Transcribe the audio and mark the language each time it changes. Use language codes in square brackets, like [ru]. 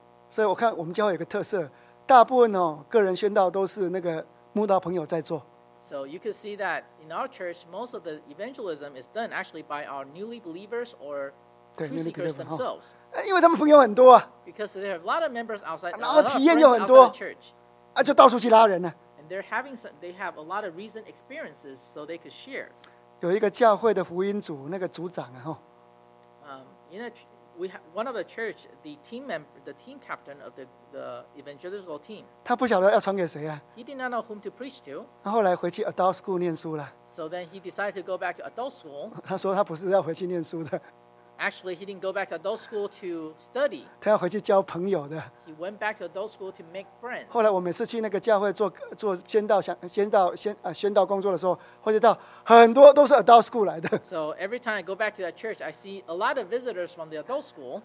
[zh] 所以我看我们教会有个特色，大部分哦个人宣道都是那个慕道朋友在做。 [en] So you can see that in our church, most of the evangelism is done actually by our newly believers or [zh] 对 [en] true seekers themselves. [zh] 因为他们朋友很多啊。 [en] Because they have a lot of members outside, [zh] 然后体验又很多 [en] outside the church. [zh] 啊，就到处去拉人呢。 [en] And they're having some, they have a lot of recent experiences, so they could share. [zh] 有一个教会的福音组那个组长啊，哈。 [en] In a, we have one of the church, the team member, the team captain of the evangelical team. [zh] 他不晓得要传给谁啊。 [en] He did not know whom to preach to. [zh] 然后来回去 adult school 念书了。 [en] So then he decided to go back to adult school. [zh] 他说他不是要回去念书的。 [en] Actually, he didn't go back to adult school to study. [zh] 他要回去交朋友的。 [en] He went back to adult school to make friends. [zh] 后来我每次去那个教会做宣道工作的时候，或者到很多都是 adult school 来的。 [en] So every time I go back to that church, I see a lot of visitors from the adult school.